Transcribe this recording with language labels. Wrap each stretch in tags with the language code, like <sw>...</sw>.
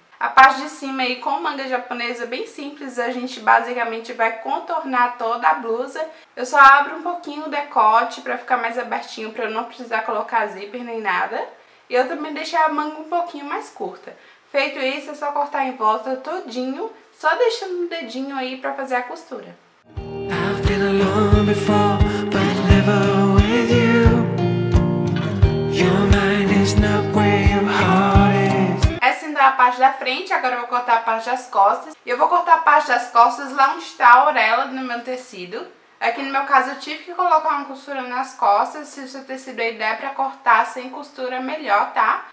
<pt>A parte de cima aí com manga japonesa bem simples, a gente basicamente vai contornar toda a blusa. Eu só abro um pouquinho o decote para ficar mais abertinho, para eu não precisar colocar zíper nem nada. E eu também deixei a manga um pouquinho mais curta. Feito isso, é só cortar em volta todinho, só deixando um dedinho aí pra fazer a costura.</pt> <en>I've been alone before, but never with you. Your mind is not where your heart is.</en> <pt>Essa ainda é a parte da frente, agora eu vou cortar a parte das costas. E eu vou cortar a parte das costas lá onde tá a orelha do meu tecido. Aqui no meu caso eu tive que colocar uma costura nas costas, se o seu tecido aí der pra cortar sem costura melhor, tá?</pt>